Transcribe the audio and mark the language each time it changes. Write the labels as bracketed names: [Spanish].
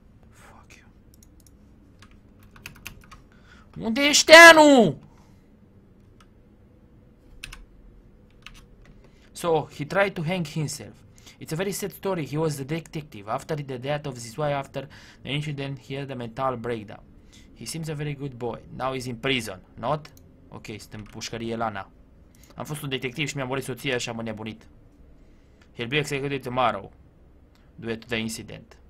[English] Fuck you. [Romanian] Unde ești, Teanu? [English] So, he tried to hang himself. It's a very sad story. He was the detective. After the death of his wife, after the incident, he had a mental breakdown. He seems a very good boy. Now he's in prison, not? [Romanian] Ok, sunt în pușcărie, Lana. Am fost un detectiv și mi-am murit soția și am înnebunit. [English] He'll be executed tomorrow, due to the incident.